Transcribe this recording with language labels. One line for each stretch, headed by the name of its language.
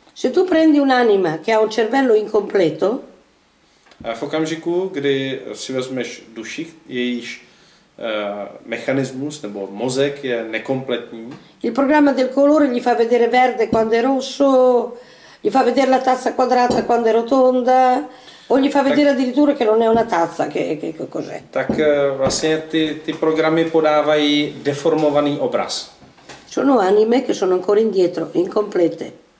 Italian: Se tu prendi un'anima che ha un cervello incompleto,
Czech: v okamžiku, kdy si vezmeš duši, jejíž mechanismus nebo mozek je nekompletní.
Italian: Il programma del colore gli fa vedere verde quando è rosso, gli fa vedere la tazza quadrata quando è rotonda, o gli fa vedere addirittura che non è una tazza, che cos'è.
Czech: Tak vlastně ty programy podávají deformovaný obraz.
Italian: Sono anime che sono ancora indietro, incomplete.